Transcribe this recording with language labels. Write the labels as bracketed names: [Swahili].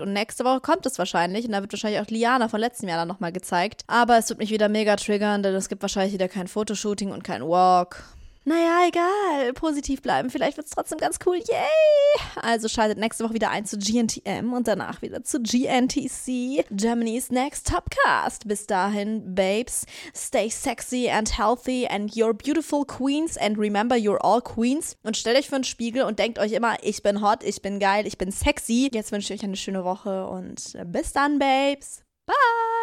[German] Und nächste Woche kommt es wahrscheinlich und da wird wahrscheinlich auch Liana von letztem Jahr dann nochmal gezeigt. Aber es wird mich wieder mega triggern, denn es gibt wahrscheinlich wieder kein Fotoshooting und kein Walk. Naja, egal. Positiv bleiben. Vielleicht wird's trotzdem ganz cool. Yay! Also schaltet nächste Woche wieder ein zu GNTM und danach wieder zu GNTC. Germany's Next Topcast. Bis dahin, [English] Babes, stay sexy and healthy and you're beautiful queens and remember you're all queens. [German] Und stellt euch vor den Spiegel und denkt euch immer, ich bin hot, ich bin geil, ich bin sexy. Jetzt wünsche ich euch eine schöne Woche und bis dann, Babes. Bye!